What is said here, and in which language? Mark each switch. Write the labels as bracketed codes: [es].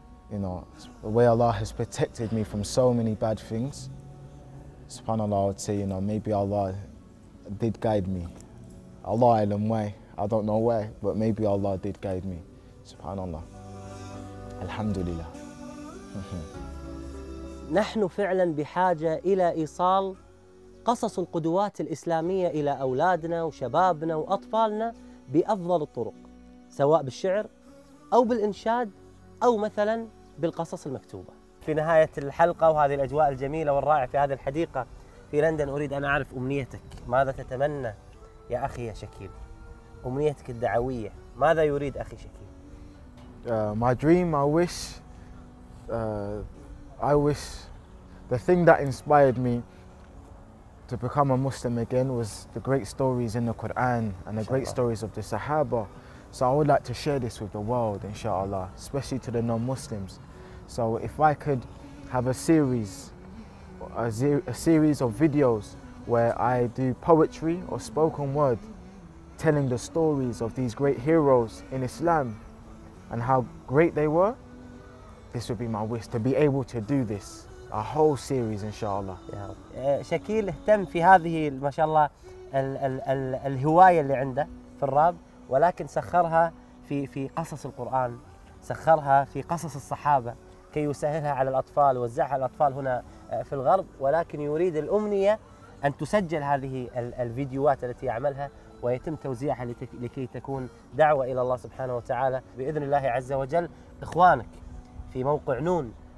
[en] You know, the way Allah has protected me from so many bad things, subhanAllah, I would say, you know, maybe Allah did guide me. Allah alam way, I don't know where, but maybe Allah did guide me. SubhanAllah. Alhamdulillah. [ar] نحن فعلا بحاجة إلى إيصال قصص القدوات الإسلامية إلى أولادنا وشبابنا وأطفالنا بأفضل الطرق، سواء بالشعر أو بالإنشاد أو مثلا بالقصص المكتوبة. في نهاية الحلقة وهذه الأجواء الجميلة والرائعة في هذه الحديقة في لندن، أريد أن أعرف أمنيتك، ماذا تتمنى يا أخي يا شكيل؟ أمنيتك الدعوية، ماذا يريد أخي شكيل؟ [en] My dream, I wish, I wish the thing that inspired me to become a Muslim again was the great stories in the Quran and the great stories of the Sahaba. So I would like to share this with the world, inshallah, especially to the non-Muslims. So if I could have a series of videos where I do poetry or spoken word telling the stories of these great heroes in Islam and how great they were, this would be my wish to be able to do this a whole series inshallah. [ar] شاكيل اهتم في هذه ما شاء الله الهواية اللي عنده في الراب ولكن سخرها في قصص القرآن سخرها في قصص الصحابة كي يسهلها على الأطفال ووزعها على الأطفال هنا في الغرب ولكن يريد الأمنية أن تسجل هذه الفيديوهات التي يعملها ويتم توزيعها لكي تكون دعوة إلى الله سبحانه وتعالى بإذن الله عز وجل إخوانك في موقع نون